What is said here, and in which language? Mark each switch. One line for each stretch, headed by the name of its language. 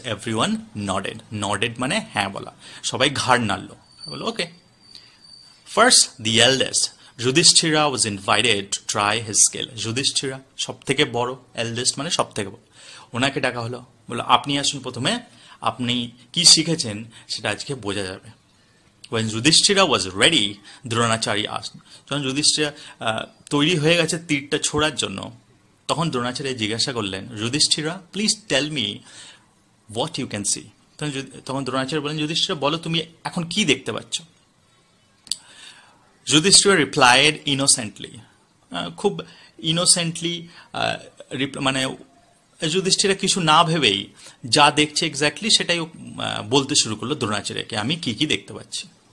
English: everyone nodded,
Bangla: নডেড মানে হ্যাঁ বলা, সবাই ঘাড় নাড়ল, বললো ওকে।
English: first the eldest Yudhishthira was invited to try his skill,
Bangla: Yudhishthira সব থেকে বড়, এল্ডেস্ট মানে সব থেকে বড়, ওনাকে ডাকা হলো, বললো আপনি আসুন প্রথমে, আপনি কি শিখেছেন সেটা আজকে বোঝা যাবে।
English: When Yudhishthira was ready, Dronacharya asked.
Bangla: যখন যুধিষ্ঠিরা তৈরি হয়ে গেছে তীরটা ছোড়ার জন্য, তখন দ্রোণাচার্য জিজ্ঞাসা করলেন, Yudhishthira
English: Please tell me what you can see.
Bangla: তখন তখন দ্রোণাচার্য বললেন, যুধিষ্ঠিরা বলো তুমি এখন কী দেখতে পাচ্ছ?
English: Yudhishthira replied innocently,
Bangla: খুব ইনোসেন্টলি মানে যুধিষ্ঠিরা কিছু না ভেবেই যা দেখছে এক্স্যাক্টলি সেটাই বলতে শুরু করলো দ্রোণাচার্যকে, আমি কি কি দেখতে পাচ্ছি।